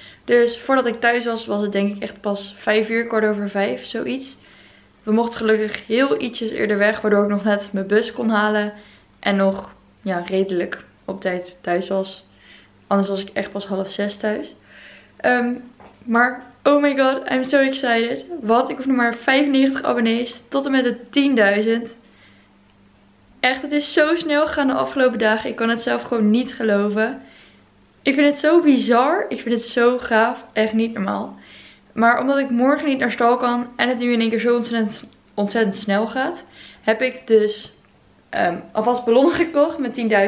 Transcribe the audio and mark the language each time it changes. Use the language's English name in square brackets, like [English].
[Dutch] Dus voordat ik thuis was, was het denk ik echt pas 5:00, 16:45, zoiets. We mochten gelukkig heel ietsjes eerder weg, waardoor ik nog net mijn bus kon halen. En nog ja, redelijk op tijd thuis was. Anders was ik echt pas 17:30 thuis. Maar [English] oh my god, I'm so excited. [Dutch] Want ik hoef nog maar 95 abonnees tot en met de 10.000. Echt, het is zo snel gegaan de afgelopen dagen. Ik kan het zelf gewoon niet geloven. Ik vind het zo bizar. Ik vind het zo gaaf. Echt niet normaal. Maar omdat ik morgen niet naar stal kan en het nu in één keer zo ontzettend snel gaat, heb ik dus alvast ballonnen gekocht met 10.000.